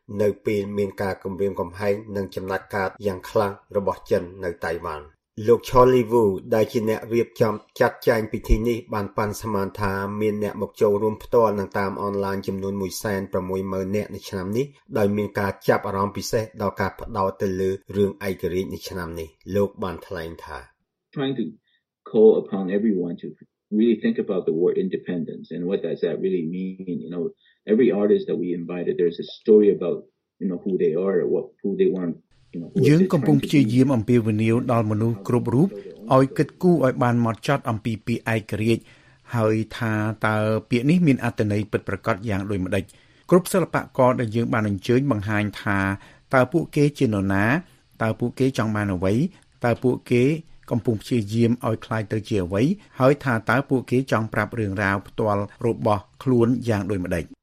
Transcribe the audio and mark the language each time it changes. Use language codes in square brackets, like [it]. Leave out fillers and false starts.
[km] នៅពេលមានការគំរាមកំហែងនិងចំណាត់ការយ៉ាងខ្លាំងរបស់ចិននៅតៃវ៉ាន់លោក Charlie Wu ដែលជាអ្នករៀបចំចាត់ចែងពិធីនេះបានប៉ាន់ស្មានថាមានអ្នកមកចូលរួមផ្ទាល់នឹងតាមអនឡាញចំនួន 160,000 នាក់ក្នុងឆ្នាំនេះដោយមានការចាប់អារម្មណ៍ពិសេសដល់ការផ្ដោតទៅលើរឿងឯករាជ្យក្នុងឆ្នាំនេះលោកបានថ្លែងថា [en] Trying to call upon everyone to really think about the word independence and what does that really mean you know every artist that we invited there's a story about you know who they are or what who they want. [km] យើងកំពុងព្យាយាមអំពាវនាវដល់មនុស្សគ្រប់រូបឲ្យគិតគូរឲ្យបានម៉ត់ចត់អំពីពាក្យឯករាជ្យហើយថាតើពាក្យនេះមានអត្ថន័យពិតប្រាកដយ៉ាងដូចម្តេចគ្រប់សិល្បករដែលយើងបានអញ្ជើញបង្ហាញថាតើពួកគេជានរណាតើពួកគេចង់បានអ្វីតើពួកគេកំពុងព្យាយាមឲ្យខ្លាចទៅជាអ្វីហើយថាតើពួកគេចង់ប្រាប់រឿងរ៉ាវផ្ទាល់របស់ខ្លួនយ៉ាងដូចម្តេច